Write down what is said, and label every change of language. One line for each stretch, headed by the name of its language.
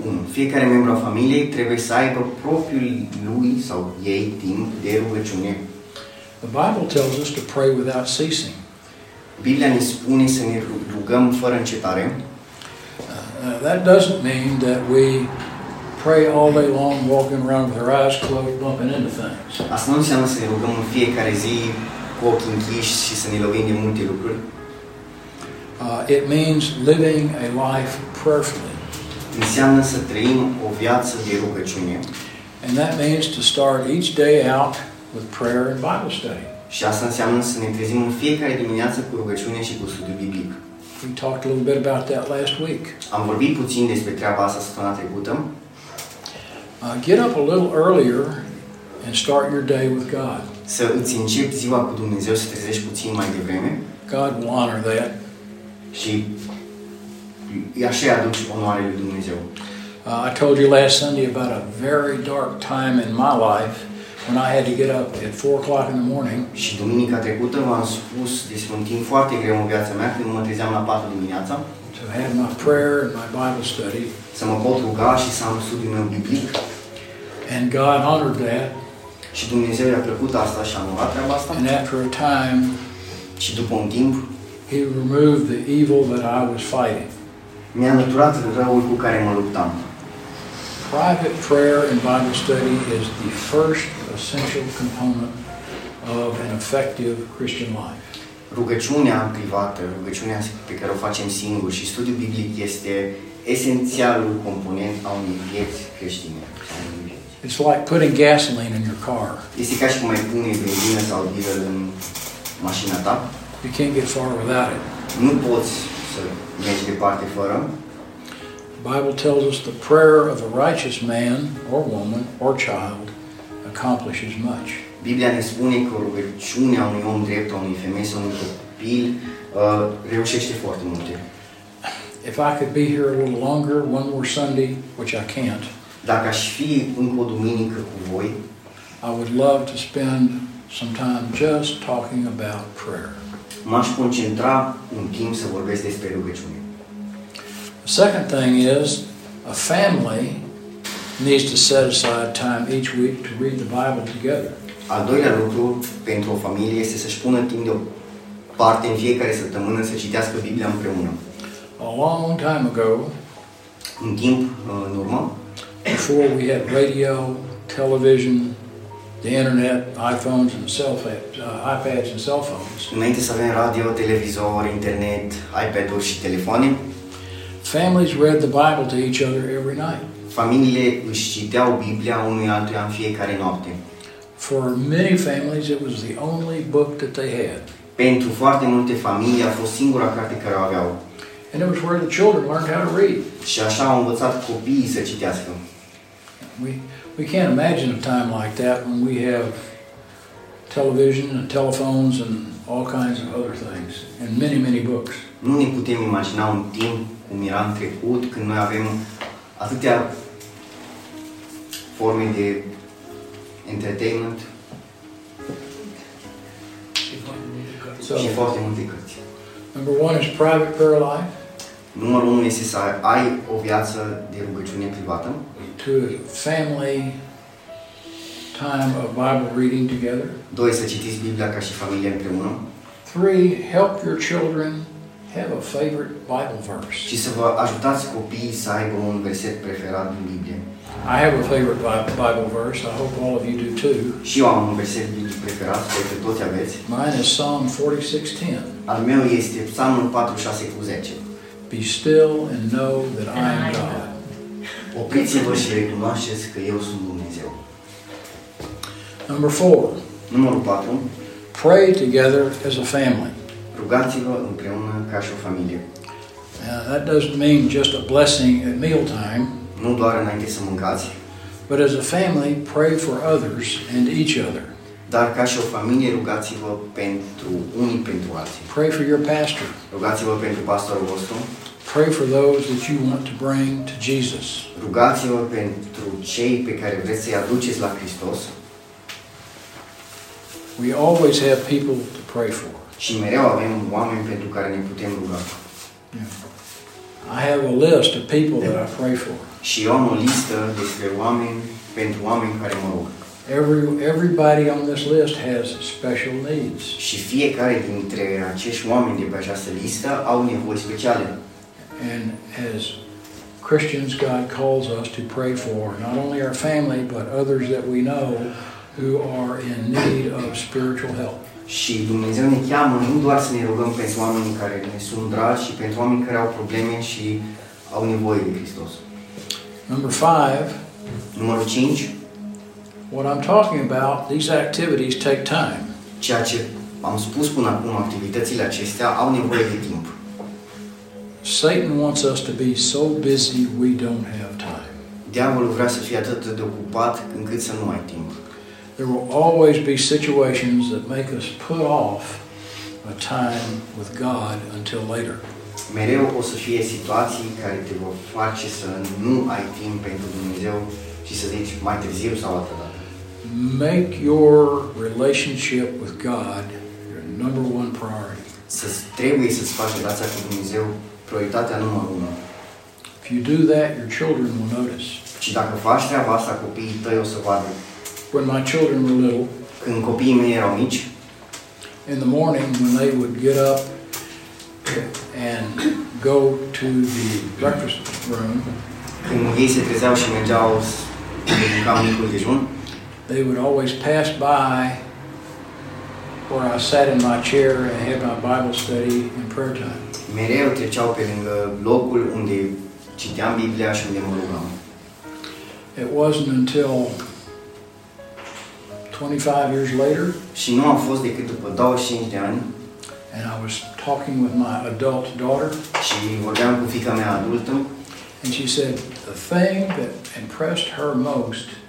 Romanian: Fiecare membru al familiei trebuie să aibă propriul lui sau ei timp de rugăciune.
English: The Bible tells us to pray without ceasing.
Romanian: Biblia ne spune să ne rugăm fără încetare.
English: That doesn't mean that we pray all day long walking around with our eyes closed bumping into things.
Romanian: Asta nu înseamnă să ne rugăm în fiecare zi cu ochii închiși și să ne lovim de multe lucruri.
English: It means living a life prayerfully.
Romanian: Înseamnă să trăim o viață de rugăciune.
English: And that means to start each day out with prayer and Bible study.
Romanian: Și asta înseamnă să ne trezim în fiecare dimineață cu rugăciune și cu studiu biblic.
English: We talked a little bit about that last week.
Romanian: Am vorbit puțin despre treaba asta săptămâna trecută.
English: Get up a little earlier and start your day with God.
Romanian: Să îți începi ziua cu Dumnezeu, să trezești puțin mai devreme.
English: God will honor that.
Romanian: Și așa aduce onoare lui Dumnezeu.
English: I told you last Sunday about a very dark time in my life when I had to get up at 4 o'clock in the morning.
Romanian: Și duminica trecută v-am spus despre un timp foarte greu în viața mea când mă trezeam la 4 dimineața.
English: To have my prayer and my Bible study.
Romanian: Să mă pot ruga și să am studiul meu biblic.
English: And God honored that.
Romanian: Și Dumnezeu i-a plăcut asta și a onorat treaba asta.
English: And after a time,
Romanian: și după un timp,
English: He removed the evil that I was fighting.
Romanian: Mi-a înlăturat răul cu care mă luptam.
English: Private prayer and Bible study is the first essential component of an effective Christian life.
Romanian: Rugăciunea privată, rugăciunea pe care o facem singur și studiul biblic este esențialul component al unei vieți creștine.
English: It's like putting gasoline in your car.
Romanian: Este ca și cum ai pune benzină sau diesel în mașina ta.
English: You can't get far without it.
Romanian: Nu poți să mergi departe fără.
English: Bible tells us the prayer of a righteous man or woman or child accomplishes much.
Romanian: Biblia ne spune că rugăciunea unui om drept, unei femei sau unui copil reușește foarte multe.
English: If I could be here a little longer, one more Sunday, which I can't.
Romanian: Dacă aș fi încă o duminică cu voi,
English: I would love to spend some time just talking about prayer.
Romanian: M-aș concentra un timp să vorbesc despre rugăciune.
English: The second thing is, a family needs to set aside time each week to read the Bible together.
Romanian: Al doilea lucru pentru o familie este să-și pună timp de o parte în fiecare săptămână să citească Biblia împreună.
English: A long time ago,
Romanian: un timp în urmă,
English: before we had radio, television, the internet, iPhones and iPads and cell phones.
Romanian: Înainte să avem radio, televizor, internet, iPad-uri și telefoane.
English: Families read the Bible to each other every night.
Romanian: Familiile își citeau Biblia unul altuia în fiecare noapte.
English: For many families it was the only book that they had.
Romanian: Pentru foarte multe familii a fost singura carte care o aveau.
English: And it was where the children learned how to read.
Romanian: Și așa au învățat copiii să citească.
English: We can't imagine a time like that when we have television and telephones and all kinds of other things and many, many books.
Romanian: Nu ne putem imagina un timp cum era în trecut când noi avem atâtea forme de entertainment și foarte multe cărți.
English: Number one is private prayer life.
Romanian: Numărul 1 este să ai o viață de rugăciune privată.
English: To family time of Bible reading together.
Romanian: 2. Să citiți Biblia ca și familie împreună.
English: 3. Help your children have a favorite Bible verse.
Romanian: Și să vă ajutați copiii să aibă un verset preferat din Biblie.
English: I have a favorite Bible verse. I hope all of you do too.
Romanian: Și eu am un verset biblic preferat, sper că toți aveți.
English: Mine is Psalm 46:10.
Romanian: Al meu este Psalmul 46:10.
English: Be still and know that I am God.
Romanian: Opriți-vă și recunoașteți că eu sunt Dumnezeu.
English: Number 4.
Romanian: Numărul 4.
English: Pray together as a family.
Romanian: Rugați-vă împreună ca și o familie.
English: That doesn't mean just a blessing at mealtime.
Romanian: Nu doar înainte să mâncați.
English: But as a family, pray for others and each other.
Romanian: Dar ca și o familie, rugați-vă pentru unii pentru alții.
English: Pray for your pastor.
Romanian: Rugați-vă pentru pastorul vostru.
English: Pray for those that you want to bring to Jesus.
Romanian: Rugați-vă pentru cei pe care vreți să-i aduceți la Hristos.
English: We always have people to pray for.
Romanian: Și mereu avem oameni pentru care ne putem ruga.
English: Yeah. I have a list of people that I pray for.
Romanian: Și am o listă despre oameni pentru oameni care mă rog.
English: Everybody on this list has special needs.
Romanian: Și fiecare dintre acești oameni de pe această listă au nevoi speciale.
English: And as Christians, God calls us to pray for not only our family, but others that we know who are in need of spiritual help.
Romanian: Și Dumnezeu ne cheamă nu doar să ne rugăm pentru oamenii care ne sunt dragi, ci pentru oamenii care au probleme și au nevoie de Hristos.
English: Number 5.
Romanian: Numărul 5.
English: What I'm talking about, these activities take time.
Romanian: Ceea ce am spus până acum, activitățile acestea au nevoie de timp.
English: Satan wants us to be so busy we don't have time.
Romanian: Diavolul vrea să fie atât de ocupat încât să nu ai timp.
English: There will always be situations that make us put off a time with God until later.
Romanian: Mereu o să fie situații care te vor face să nu ai timp pentru Dumnezeu și să zici mai târziu sau altă dată.
English: Make your relationship with God your number one priority.
Romanian: Trebuie să-ți faci relația cu Dumnezeu prioritatea numărul unu.
English: If you do that, your children will notice.
Romanian: Și dacă faci treaba asta, copiii tăi o să vadă.
English: When my children were little,
Romanian: când copiii mei erau mici,
English: in the morning when they would get up and go to the breakfast room,
Romanian: când ei se trezeau și mergeau să mâncau micul dejun,
English: they would always pass by where I sat in my chair and had my Bible study and prayer time.
Romanian: Mereu treceau pe lângă locul unde citeam Biblia și unde mă rugam.
English: It wasn't until 25 years later.
Romanian: Și nu a fost decât după 25 de ani.
English: And I was talking with my adult daughter.
Romanian: Și vorbeam cu fiica mea adultă.
English: And she said the thing that impressed her most.